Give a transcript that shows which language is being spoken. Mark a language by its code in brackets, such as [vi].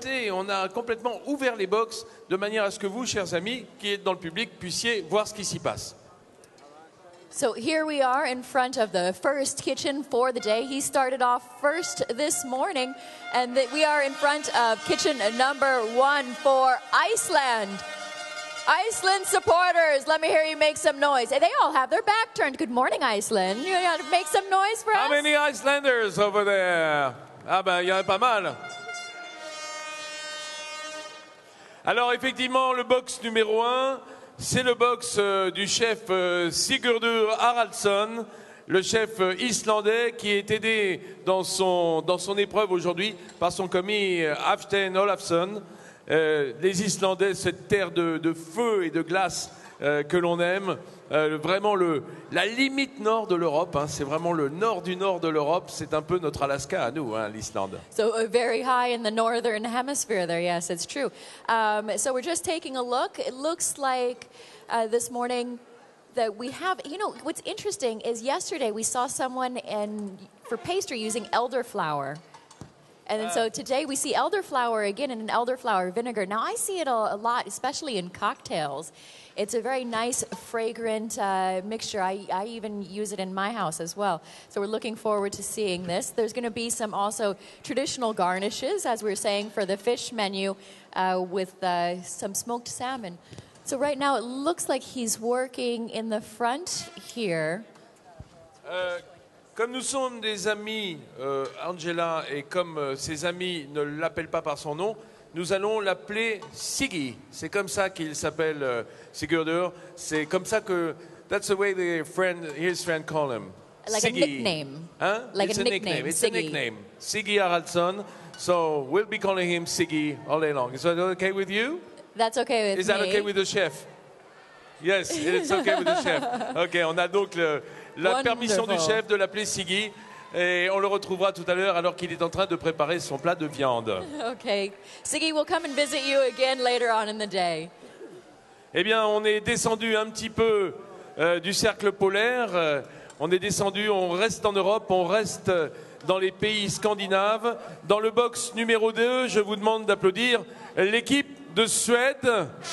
[fr] On a complètement ouvert les box de manière à ce que vous, chers amis, qui êtes dans le public, puissiez voir ce qui s'y passe. [en] So here we are in front of the first kitchen for the day. He started off first this morning, and we are in front of kitchen number one for Iceland. Iceland supporters, let me hear you make some noise. They all have their back turned. Good morning, Iceland. You want to make some noise for us? How many Icelanders over there? [fr] Ah ben, y en a pas mal. Alors effectivement, le box numéro 1, c'est le box du chef Sigurdur Haraldsson, le chef islandais qui est aidé dans son épreuve aujourd'hui par son commis Hafstein Olafsson. Les Islandais, cette terre de feu et de glace que l'on aime, vraiment la limite nord de l'Europe, hein, c'est vraiment le nord du nord de l'Europe, c'est un peu notre Alaska à nous, hein, l'Islande. [en] So very high in the northern hemisphere there, yes, it's true. So we're just taking a look, it looks like this morning that we have, you know, what's interesting is yesterday we saw someone for pastry using elderflower. And so today we see elderflower again in an elderflower vinegar. Now I see it a lot, especially in cocktails. It's a very nice, fragrant mixture. I even use it in my house as well. So we're looking forward to seeing this. There's going to be some also traditional garnishes, as we were saying, for the fish menu with some smoked salmon. So right now it looks like he's working in the front here. [fr] Comme nous sommes des amis, Angela, et comme ses amis ne l'appellent pas par son nom, nous allons l'appeler Siggy. C'est comme ça qu'il s'appelle, Sigurdur. C'est comme ça que... [en] That's the way the friend, his friend call him. Like Siggy. A nickname. Hein? Like it's a nickname. Nickname. It's Siggy. A nickname. Siggy Haraldsson. So we'll be calling him Siggy all day long. Is that okay with you? That's okay with me. Is that me. Okay with the chef? Yes, it's okay with the chef. [fr] Okay, on a donc le, la [en] Wonderful. [fr] Permission du chef de l'appeler Siggy. Et on le retrouvera tout à l'heure alors qu'il est en train de préparer son plat de viande. [en] Okay, Siggy, we'll come and visit you again later on in the day. [fr] Eh bien, on est descendu un petit peu du cercle polaire. On est descendu, on reste en Europe, on reste dans les pays scandinaves. Dans le box numéro 2, je vous demande d'applaudir l'équipe de Suède.